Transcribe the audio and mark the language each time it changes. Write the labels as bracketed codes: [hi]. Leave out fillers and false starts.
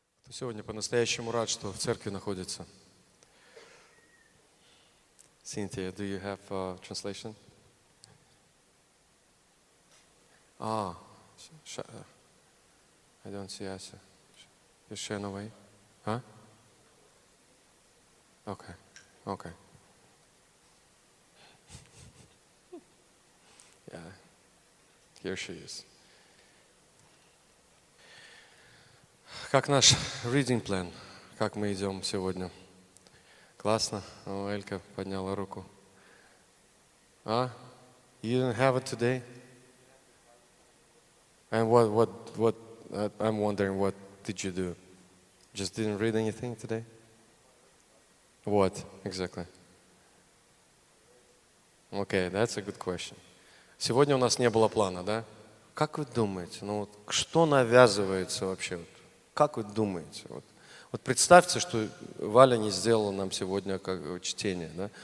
[ru] Сегодня по-настоящему рад, что в церкви находится. [en] Cynthia, do you have a translation? Ah, I don't see Asa. Is she in a way? Huh? Okay, okay. Yeah, here she is. [ru] Как наш [en] reading plan? [ru] Как мы идем сегодня? Классно. О, Элька подняла руку. А? [en] You didn't have it today? And what, I'm wondering, what did you do? Just didn't read anything today? What, exactly? Okay, that's a good question. [ru] Сегодня у нас не было плана, да? Как вы думаете, ну вот, что навязывается вообще? Как вы думаете? Вот, вот представьте, что Валя не сделала нам сегодня как чтение. Да?